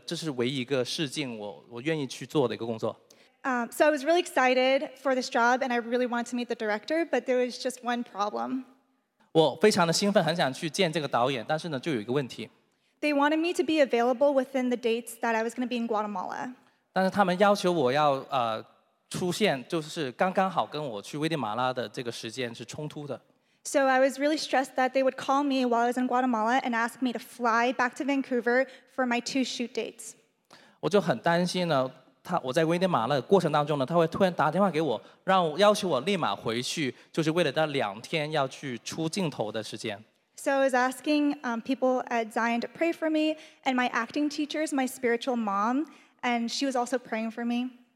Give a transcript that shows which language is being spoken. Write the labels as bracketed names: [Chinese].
[Chinese] 我之前做过一些研究，我就觉得这是唯一一个试镜我愿意去做的一个工作。 [English] So I was really excited for this job, and I really wanted to meet the director, but there was just one problem. [Chinese] 我非常的兴奋，很想去见这个导演，但是呢，就有一个问题。 [English] They wanted me to be available within the dates that I was going to be in Guatemala. [Chinese] 但是他们要求我要, 出现就是刚刚好跟我去危地马拉的这个时间是冲突的。 [English] So I was really stressed that they would call me while I was in Guatemala and ask me to fly back to Vancouver for my 2 shoot dates. [Chinese] 我就很担心呢，他我在危地马拉的过程当中呢，他会突然打电话给我，要求我立马回去，就是为了那2天要去出镜头的时间。 [English] So I was asking people at Zion to pray for me, and my acting teacher is my spiritual mom, and she was also praying for me.